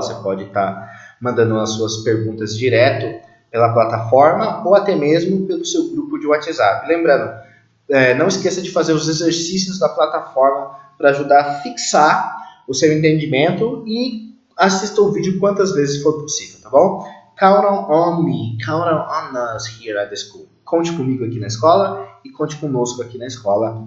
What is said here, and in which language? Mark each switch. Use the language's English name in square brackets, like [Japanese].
[Portuguese] Você pode estar mandando as suas perguntas direto pela plataforma ou até mesmo pelo seu grupo de WhatsApp. Lembrando, não esqueça de fazer os exercícios da plataforma para ajudar a fixar o seu entendimento e assista o vídeo quantas vezes for possível, tá bom? [English] Count on me, count on us here at the school. [Portuguese] Conte comigo aqui na escola e conte conosco aqui na escola.